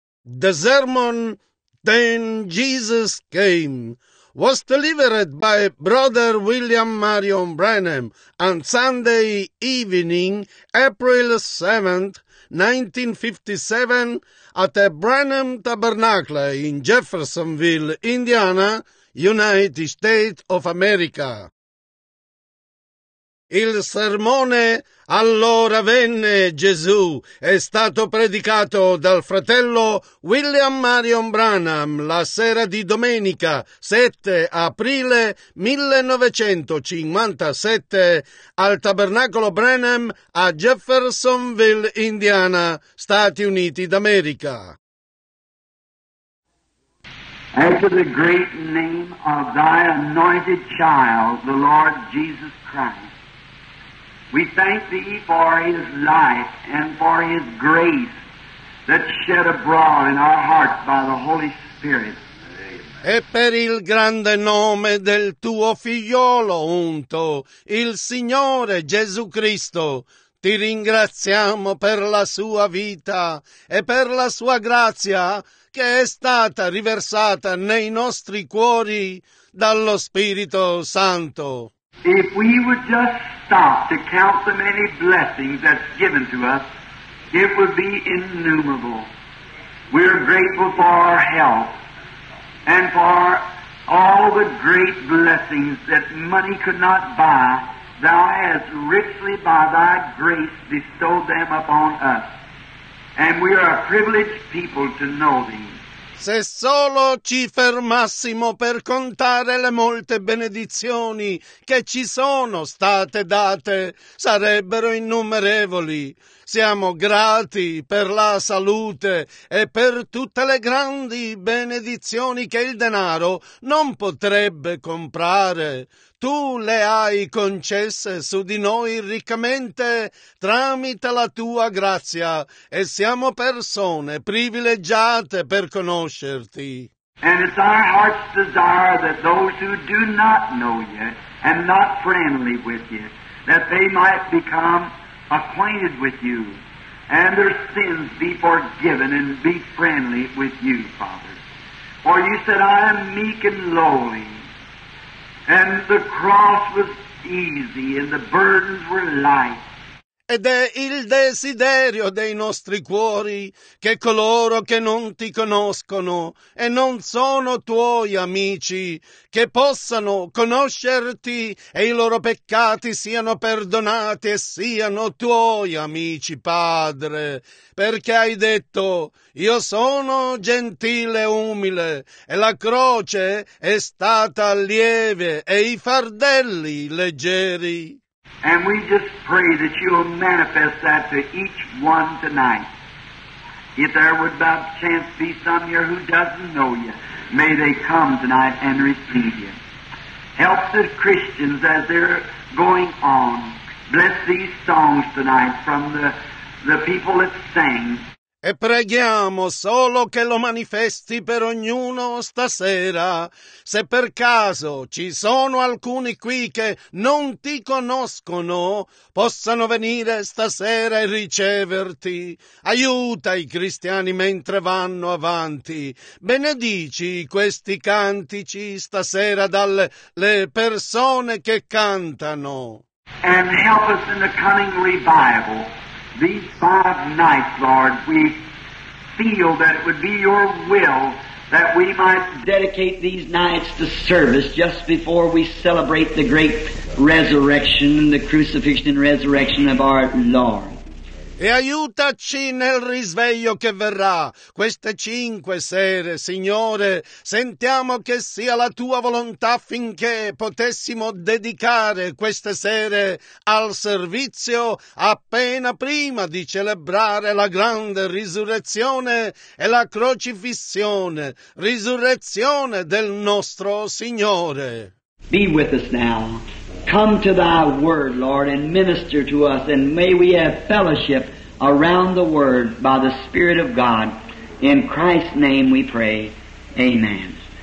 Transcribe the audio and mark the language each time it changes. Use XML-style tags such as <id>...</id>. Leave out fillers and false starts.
<en>The sermon, Then Jesus Came, was delivered by Brother William Marion Branham on Sunday evening, April 7, 1957, at the Branham Tabernacle in Jeffersonville, Indiana, United States of America.</en> <it>Il sermone Allora venne Gesù è stato predicato dal fratello William Marion Branham la sera di domenica 7 aprile 1957 al Tabernacolo Branham a Jeffersonville, Indiana, Stati Uniti d'America.</it> <en>Unto the great name of thy anointed child, the Lord Jesus Christ. We thank thee for his life and for his grace that's shed abroad in our hearts by the Holy Spirit.</en> <it>E per il grande nome del tuo figliolo unto, il Signore Gesù Cristo, ti ringraziamo per la sua vita e per la sua grazia che è stata riversata nei nostri cuori dallo Spirito Santo.</it> <en>If we would just stop to count the many blessings that's given to us, it would be innumerable. We're grateful for our health and for all the great blessings that money could not buy. Thou hast richly by thy grace bestowed them upon us. And we are a privileged people to know thee.</en> <it>Se solo ci fermassimo per contare le molte benedizioni che ci sono state date, sarebbero innumerevoli. Siamo grati per la salute e per tutte le grandi benedizioni che il denaro non potrebbe comprare. Tu le hai concesse su di noi riccamente tramite la tua grazia e siamo persone privilegiate per conoscerti.</it> <en>And it's our heart's desire that those who do not know you and not friendly with you, that they might become acquainted with you and their sins be forgiven and be friendly with you, Father. For you said, I am meek and lowly. And the cross was easy and the burdens were light.</en> <it>Ed è il desiderio dei nostri cuori che coloro che non ti conoscono e non sono tuoi amici, che possano conoscerti e i loro peccati siano perdonati e siano tuoi amici, Padre. Perché hai detto, io sono gentile e umile e la croce è stata lieve e i fardelli leggeri.</it> <en>And we just pray that you will manifest that to each one tonight. If there would by chance be some here who doesn't know you, may they come tonight and receive you. Help the Christians as they're going on. Bless these songs tonight from the people that sang.</en> <it>E preghiamo solo che lo manifesti per ognuno stasera. Se per caso ci sono alcuni qui che non ti conoscono, possano venire stasera e riceverti. Aiuta i cristiani mentre vanno avanti. Benedici questi cantici stasera dalle le persone che cantano.</it> <en>And help us in the coming revival. These 5 nights, Lord, we feel that it would be your will that we might dedicate these nights to service just before we celebrate the great resurrection and the crucifixion and resurrection of our Lord.</en> <it>E aiutaci nel risveglio che verrà. Queste 5 sere, Signore, sentiamo che sia la Tua volontà finché potessimo dedicare queste sere al servizio appena prima di celebrare la grande risurrezione e la crocifissione, risurrezione del nostro Signore.</it> <en>Be with us now. Come to Thy Word, Lord, and minister to us, and may we have fellowship around the Word by the Spirit of God. In Christ's name we pray. Amen.</en>